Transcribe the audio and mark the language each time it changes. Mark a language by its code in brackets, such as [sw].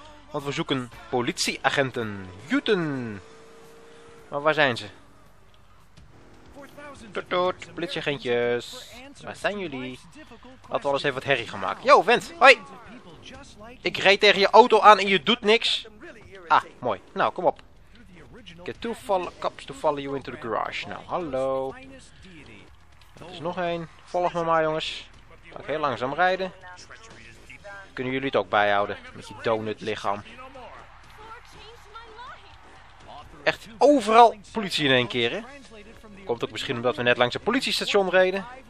[nl] Want we zoeken politieagenten. Juten! Maar waar zijn ze? Toot toot, politieagentjes. Waar zijn jullie? Laten we al eens even wat herrie gaan maken. Yo, vent! Hoi! Ik reed tegen je auto aan en je doet niks. Ah, mooi. Nou, kom op. [en] Get two cops to follow you into the garage. [nl] Nou, hallo. Dat is nog één. Volg me maar, jongens. Ik heel langzaam rijden. Kunnen jullie het ook bijhouden met je donut lichaam? Echt overal politie in één keer, hè? Komt ook misschien omdat we net langs een politiestation reden.